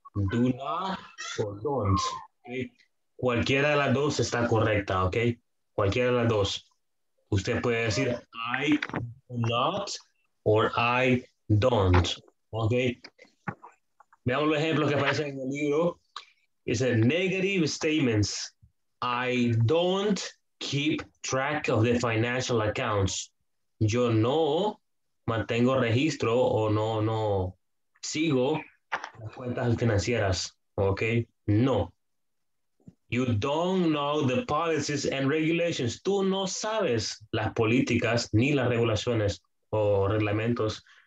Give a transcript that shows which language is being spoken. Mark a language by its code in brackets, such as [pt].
[en] Do not or don't. [es] Okay. Cualquiera de las dos está correcta, ok. Cualquiera de las dos. Usted puede decir [en] I do not or I don't. Ok. [es] Veamos los ejemplos que aparecen en el libro. [en] Dice, negative statements. I don't keep track of the financial accounts. [es] Yo no mantengo registro o no sigo las cuentas financieras. [en] Ok, no. You don't know the policies and regulations. [es] Tú no sabes las políticas ni las regulaciones o reglamentos.